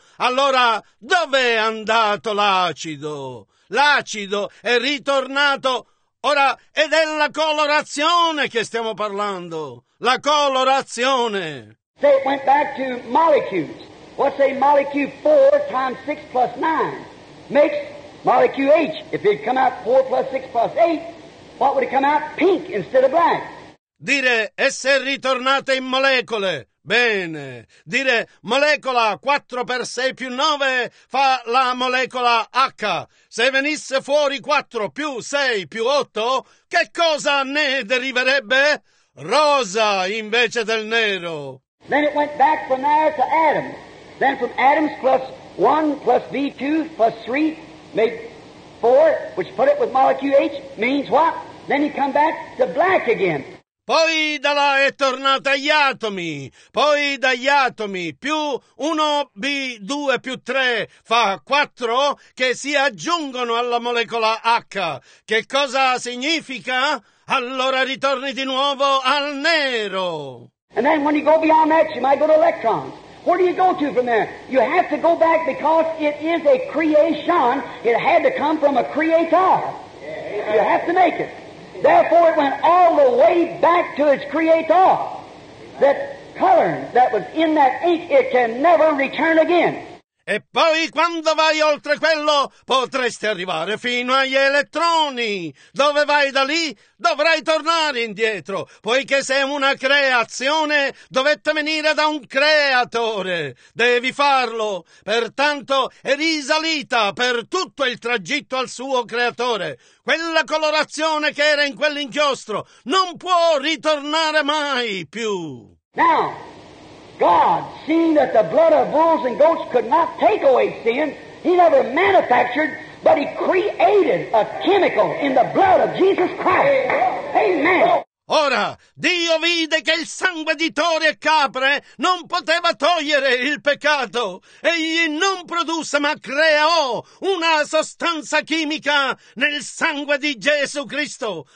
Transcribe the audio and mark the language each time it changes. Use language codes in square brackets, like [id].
[it] Allora, dov'è andato l'acido? L'acido è ritornato, ora, è della colorazione che stiamo parlando, la colorazione. [en] So it went back to molecules. What's a molecule 4 times 6 plus 9? Makes molecule H. If it come out 4 plus 6 plus 8, what would it come out? Pink instead of black. [it] Dire essere ritornate in molecole. Bene. Dire molecola 4 per 6 più 9 fa la molecola H. Se venisse fuori 4 più 6 più 8, che cosa ne deriverebbe? Rosa invece del nero. [en] Then it went back from there to atoms. Then from atoms plus 1 plus V2 plus 3 made 4, which put it with molecule H, means what? Then you come back to black again. [it] Poi da là è tornata agli atomi. Poi dagli atomi più 1B2 più 3 fa 4 che si aggiungono alla molecola H. Che cosa significa? Allora ritorni di nuovo al nero. [en] And then when you go beyond that, you might go to electrons. Where do you go to from there? You have to go back because it is a creation. It had to come from a creator. You have to make it. Therefore, it went all the way back to its creator. That color that was in that ink, it can never return again. [it] E poi quando vai oltre quello, potresti arrivare fino agli elettroni. Dove vai da lì, dovrai tornare indietro, poiché se una creazione dovette venire da un creatore, devi farlo. Pertanto è risalita per tutto il tragitto al suo creatore. Quella colorazione che era in quell'inchiostro non può ritornare mai più. [en] No. God, seeing that the blood of bulls and goats could not take away sin, he never manufactured, but he created a chemical in the blood of Jesus Christ. Amen. [it] Ora, Dio vide che il sangue di tori e capre non poteva togliere il peccato. Egli non produsse, ma creò una sostanza chimica nel sangue di Gesù Cristo.